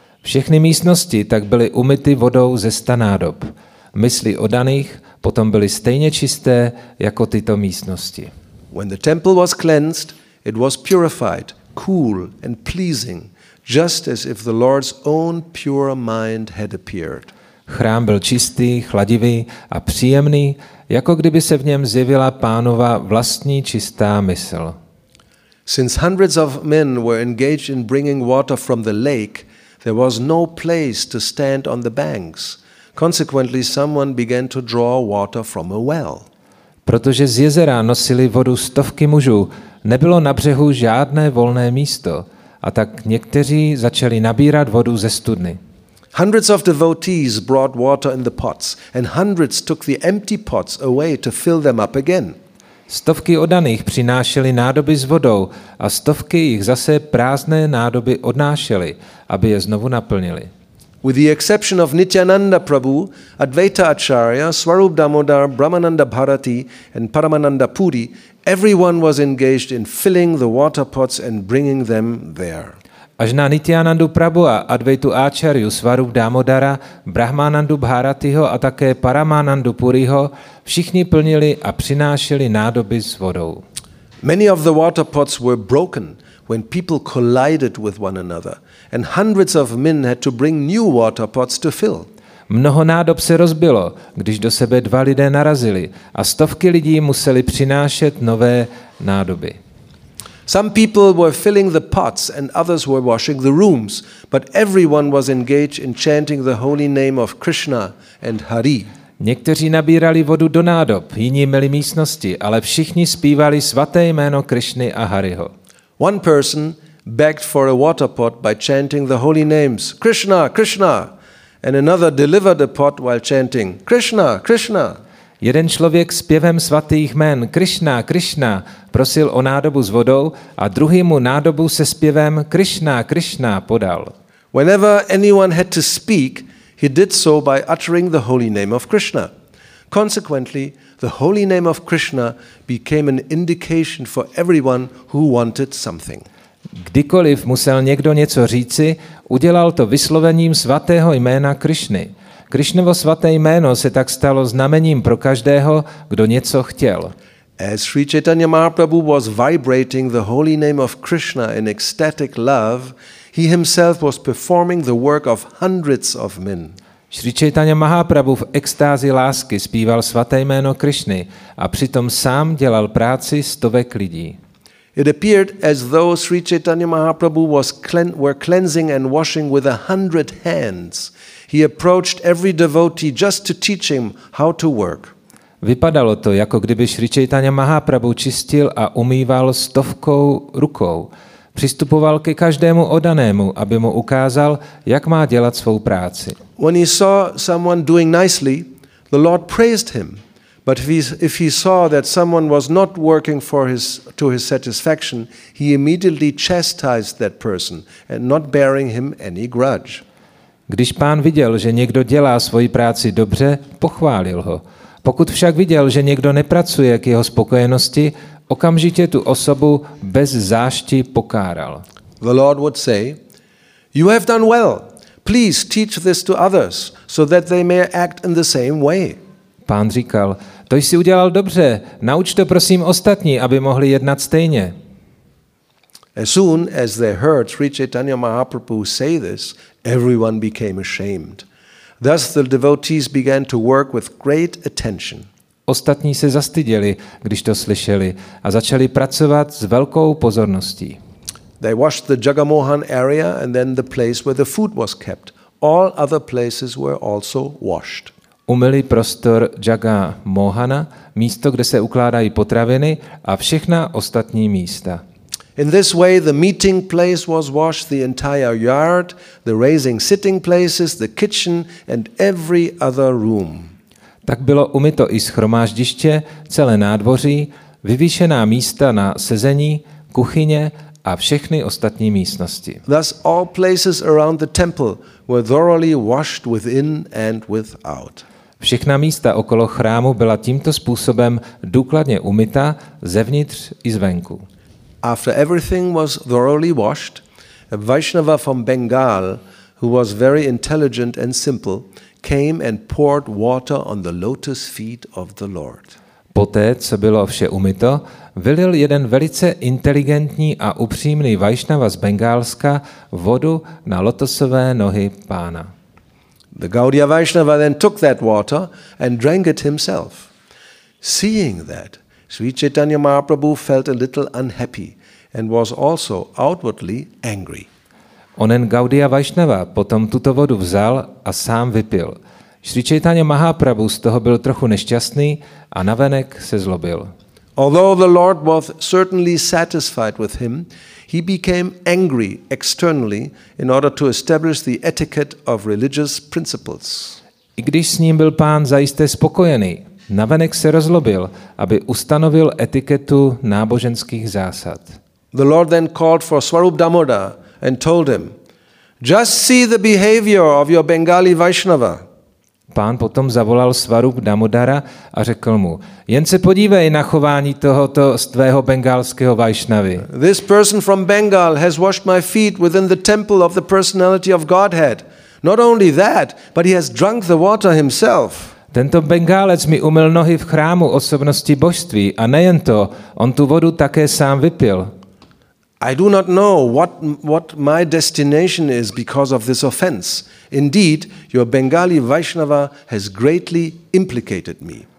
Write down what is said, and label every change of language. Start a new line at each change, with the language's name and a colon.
Czech: Všechny místnosti tak byly umyty vodou ze 100 nádob. Mysli oddaných potom byly stejně čisté jako tyto místnosti.
English: When the temple was cleansed, it was purified, cool and pleasing, just as if the Lord's own pure mind had appeared.
Czech: Chrám byl čistý, chladivý a příjemný, jako kdyby se v něm zjevila Pánova vlastní čistá mysl.
English: Since hundreds of men were engaged in bringing water from the lake, there was no place to stand on the banks. Consequently, someone began to draw water from a well.
Czech: Protože z jezera nosili vodu stovky mužů, nebylo na břehu žádné volné místo, a tak někteří začali nabírat vodu ze studny.
English: Hundreds of devotees brought water in the pots, and hundreds took the empty pots away to fill them up again.
Czech: Stovky oddaných přinášely nádoby s vodou a stovky jich zase prázdné nádoby odnášely, aby je znovu naplnili.
English: With the exception of Nityananda Prabhu, Advaita Acharya, Swarup Damodar, Brahmananda Bharati and Paramananda Puri, everyone was engaged in filling the water pots and bringing them there.
Czech: Až na Nityanandu Prabhu a Advaitu Acharyu, Swarup Damodara, Brahmanandu Bharatiho a také Paramanandu Puriho, všichni plnili a přinášeli nádoby s vodou.
English: Many of the water pots were broken when people collided with one another, and hundreds of men had to bring new water pots to fill.
Czech: Mnoho nádob se rozbilo, když do sebe dva lidé narazili, a stovky lidí museli přinášet nové nádoby.
English: Some people were filling the pots and others were washing the rooms, but everyone was engaged in chanting the holy name of Krishna and Hari.
Czech: Někteří nabírali vodu do nádob, jiní myli místnosti, ale všichni zpívali svaté jméno Krishny a Hariho.
English: One person begged for a water pot by chanting the holy names Krishna, Krishna, and another delivered a pot while chanting Krishna, Krishna.
Czech: Jeden člověk zpěvem svatých jmen Krishna, Krishna prosil o nádobu s vodou a druhý mu nádobu se zpěvem Krishna, Krishna podal.
English: Whenever anyone had to speak, he did so by uttering the holy name of Krishna. Consequently, the holy name of Krishna became an indication for everyone who wanted something.
Czech: Kdykoliv musel někdo něco říci, udělal to vyslovením svatého jména Krishny. Krišnovo svaté jméno se tak stalo znamením pro každého, kdo něco chtěl.
English: As Sri Chaitanya Mahaprabhu was vibrating the holy name of Krishna in ecstatic love, he himself was performing the work of hundreds of men.
Czech: Sri Chaitanya Mahaprabhu v extázi lásky zpíval svaté jméno Krišny a přitom sám dělal práci stovek lidí.
English: It appeared as though Sri Chaitanya Mahaprabhu were cleansing and washing with 100 hands. He approached every devotee just to teach him how to work.
Czech: Vypadalo to, jako kdyby Sri Chaitanya Mahaprabhu čistil a umýval stovkou rukou. Přistupoval ke každému oddanému, aby mu ukázal, jak má dělat svou práci.
English: When he saw someone doing nicely, the Lord praised him. But if he saw that someone was not working to his satisfaction, he immediately chastised that person and not bearing him any grudge.
Czech: Když pán viděl, že někdo dělá svoji práci dobře, pochválil ho. Pokud však viděl, že někdo nepracuje k jeho spokojenosti, okamžitě tu osobu bez zášti pokáral.
English: The Lord would say, "You have done well. Please teach this to others so that they may act in the same way."
Czech: Pán říkal, "To jsi udělal dobře. Nauč to prosím ostatní, aby mohli jednat stejně."
English: As soon as they heard Sri Chaitanya Mahaprabhu say this, everyone became ashamed. Thus the devotees began to work with great attention.
Czech: Ostatní se zastyděli, když to slyšeli, a začali pracovat s velkou pozorností.
English: They washed the Jagamohan area and then the place where the food was kept. All other places were also washed.
Czech: Umyli prostor Jagamohana, místo, kde se ukládají potraviny, a všechna ostatní místa.
English: In this way the meeting place was washed, the entire yard, the raising sitting places, the kitchen and every other room.
Czech: Tak bylo umyto i shromáždiště, celé nádvoří, vyvýšená místa na sezení, kuchyně a všechny ostatní místnosti.
English: Thus all places around the temple were thoroughly washed within and without.
Czech: Všechna místa okolo chrámu byla tímto způsobem důkladně umyta zevnitř i zvenku.
English: After everything was thoroughly washed, a Vaishnava from Bengal, who was very intelligent and simple, came and poured water on the lotus feet of the Lord.
Czech: Poté, co bylo vše umyto, vylil jeden velice inteligentní a upřímný Vaishnava z Bengálska vodu na lotosové nohy pána.
English: The Gaudiya Vaishnava then took that water and drank it himself. Seeing that, Sri Chaitanya Mahaprabhu felt a little unhappy and was also outwardly angry.
Czech: Onen Gaudiya Vaishnava potom tuto vodu vzal a sám vypil. Sri Chaitanya Mahaprabhu z toho byl trochu nešťastný a navenek se zlobil.
English: Although the Lord was certainly satisfied with him, he became angry externally in order to establish the etiquette of religious principles.
Czech: I když s ním byl pán zajisté spokojený, navenek se rozlobil, aby ustanovil etiketu náboženských zásad.
English: The Lord then called for Swarup Damoda and told him, "Just see the behavior of your Bengali Vaishnava."
Czech: Pán potom zavolal Swarup Damodara a řekl mu, jen se podívej na chování tohoto z tvého bengálského Vaishnavy.
English: This person from Bengal has washed my feet within the temple of the personality of Godhead. Not only that, but he has drunk the water himself.
Czech: Tento Bengálec mi umyl nohy v chrámu osobnosti božství a nejen to, on tu vodu také sám vypil.
English: I do not know what my destination is because of this offense. Indeed, your Bengali Vaishnava has greatly implicated me.